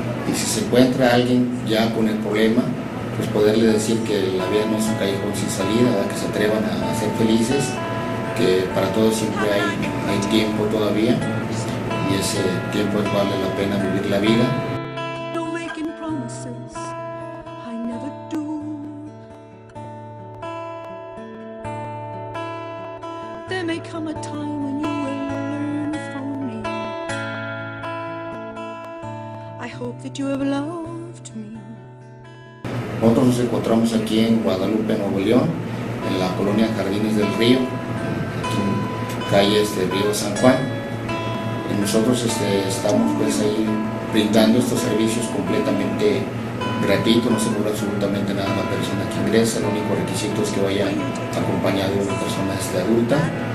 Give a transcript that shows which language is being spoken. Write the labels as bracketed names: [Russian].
[Spanish] Y si se encuentra alguien ya con el problema, pues poderle decir que la vida no es un callejón sin salida, que se atrevan a ser felices, que para todos siempre hay tiempo todavía. y ese tiempo es vale la pena vivir la vida. [English] No making promises, I never do. There may come a time when you will learn from me. I hope that you have loved me. [Spanish] Nosotros nos encontramos aquí en Guadalupe, Nuevo León, en la colonia Jardines del Río, aquí en calles de Río San Juan. Y nosotros estamos pues ahí brindando estos servicios completamente gratuitos, no se cobra absolutamente nada a la persona que ingresa, el único requisito es que vaya acompañado de una persona adulta.